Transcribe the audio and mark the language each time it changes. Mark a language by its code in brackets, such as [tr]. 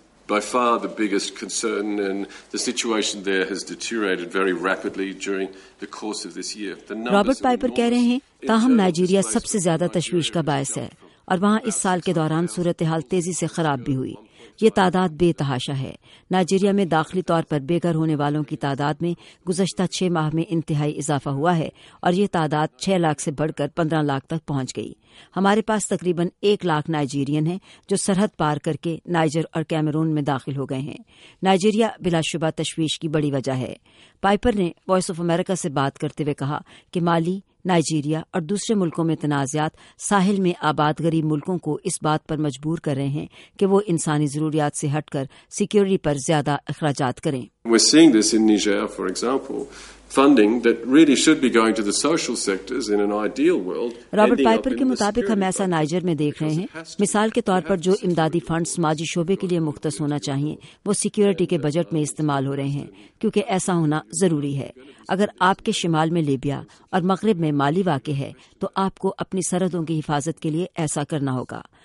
[en] By far the biggest concern, and the situation there has deteriorated very rapidly during the course of this year. [ur] Robert Piper کہہ رہے ہیں تاہم Nigeria سب سے زیادہ تشویش کا باعث ہے، اور وہاں اس سال کے دوران صورتحال تیزی سے خراب بھی ہوئی۔ یہ تعداد بے تحاشا ہے۔ نائجیریا میں داخلی طور پر بے گھر ہونے والوں کی تعداد میں گزشتہ 6 ماہ میں انتہائی اضافہ ہوا ہے، اور یہ تعداد 6 لاکھ سے بڑھ کر 15 لاکھ تک پہنچ گئی۔ ہمارے پاس تقریباً 1 لاکھ نائجیرین ہیں جو سرحد پار کر کے نائجر اور کیمرون میں داخل ہو گئے ہیں۔ نائجیریا بلا شبہ تشویش کی بڑی وجہ ہے۔ پائپر نے وائس آف امریکہ سے بات کرتے ہوئے کہا کہ مالی، نائجیریا اور دوسرے ملکوں میں تنازعات ساحل میں آباد غریب ملکوں کو اس بات پر مجبور کر رہے ہیں کہ وہ انسانی ضروریات سے ہٹ کر سیکیورٹی پر زیادہ اخراجات کریں۔ [en] We're seeing this in Niger, for example. funding that really should be going to the social sectors in an ideal world. [ur] Robert Piper کے مطابق ہم ایسا نائجر میں دیکھ رہے ہیں. مثال کے طور پر جو امدادی فنڈ سماجی شعبے کے لیے مختص ہونا چاہیے وہ سیکیورٹی کے بجٹ میں استعمال ہو رہے ہیں, کیونکہ ایسا ہونا ضروری ہے. اگر آپ کے شمال میں لیبیا اور مغرب میں مالی واقع ہے تو آپ کو اپنی سرحدوں کی حفاظت کے لیے ایسا کرنا ہوگا.